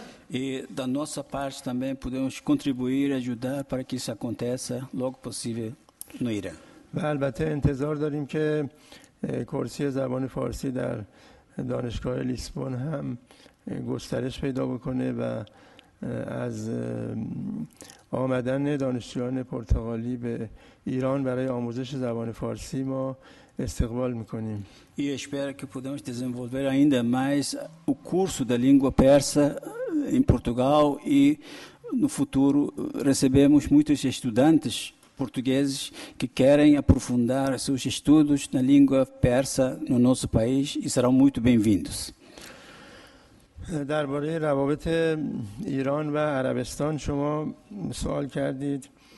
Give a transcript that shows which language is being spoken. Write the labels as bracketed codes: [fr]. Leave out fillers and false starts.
[pt] E da nossa parte também podemos contribuir, ajudar para que isso aconteça logo possível no Irã. [fa] البته انتظار داریم که کرسی زبان فارسی در دانشگاه لیسبون هم گسترش پیدا بکنه و از آمدن دانشجویان پرتغالی به ایران برای آموزش زبان فارسی ما استقبال میکنیم. [pt] E espero que podemos desenvolver ainda mais o curso da língua persa em Portugal e no futuro recebemos muitos estudantes portugueses que querem aprofundar seus estudos na língua persa no nosso país e serão muito bem-vindos. [fa] درباره روابط ایران و عربستان شما سوال کردید.